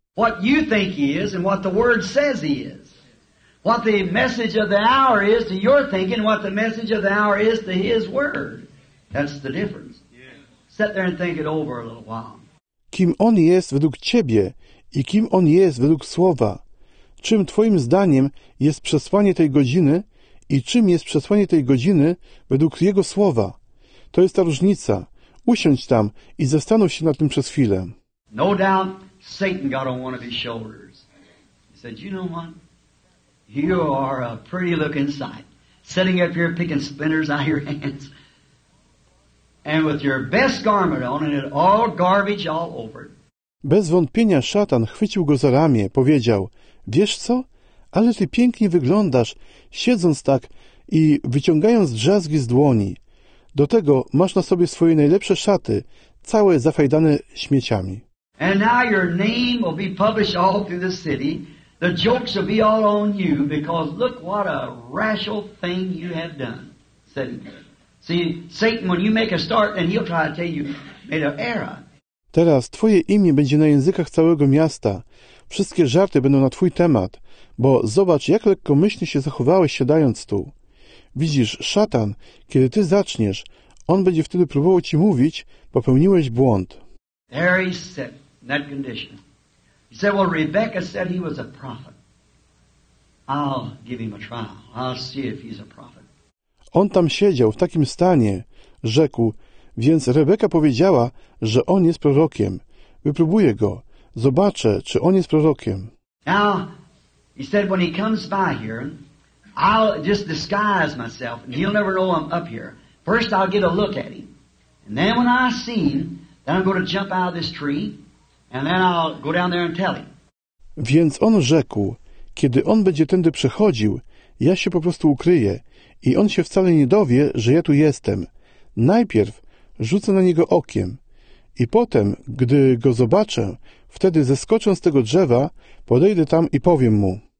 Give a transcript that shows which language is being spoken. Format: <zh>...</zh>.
<en>What you think he is and what the word says he is. What the message of the hour is to your thinking, what the message of the hour is to his word. That's the difference. Sit there and think it over a little while.</en> <pl>Kim on jest według Ciebie i kim on jest według Słowa? Czym Twoim zdaniem jest przesłanie tej godziny i czym jest przesłanie tej godziny według Jego Słowa? To jest ta różnica. Usiądź tam i zastanów się nad tym przez chwilę.</pl> <en>No doubt Satan got on one of his shoulders. He said, you know what? You are a pretty looking sight. Sitting up here picking splinters out of your hands. And with your best garment on and it all garbage all over.</en> <pl>Bez wątpienia szatan chwycił go za ramię, powiedział, wiesz co? Ale ty pięknie wyglądasz, siedząc tak i wyciągając drzazgi z dłoni. Do tego masz na sobie swoje najlepsze szaty, całe zafajdane śmieciami.</pl> <en>And now your name will be published all through the city. The jokes will be all on you because look what a rational thing you have done. See, Satan, when you make a start, then he'll try to tell you made an error.</en> <pl>Teraz twoje imię będzie na językach całego miasta. Wszystkie żarty będą na twój temat, bo zobacz, jak lekkomyślnie się zachowałeś, siadając tu. Widzisz, szatan, kiedy ty zaczniesz, on będzie wtedy próbował ci mówić, popełniłeś błąd.</pl> <en>There he sat, in that condition. He said, well, Rebecca said he was a prophet. I'll give him a trial. I'll see if he's a prophet.</en> <pl>On tam siedział w takim stanie, rzekł, więc Rebeka powiedziała, że on jest prorokiem. Wypróbuję go. Zobaczę, czy on jest prorokiem.</pl> <en>Now, he said, when he comes by here, I'll just disguise myself, and he'll never know I'm up here. First, I'll get a look at him. And then when I see him, then I'm going to jump out of this tree, and then I'll go down there and tell him.</en> <pl>Więc on rzekł, kiedy on będzie tędy przechodził, ja się po prostu ukryję, i on się wcale nie dowie, że ja tu jestem. Najpierw rzucę na niego okiem. I potem, gdy go zobaczę, wtedy zeskoczę z tego drzewa, podejdę tam i powiem mu.</pl>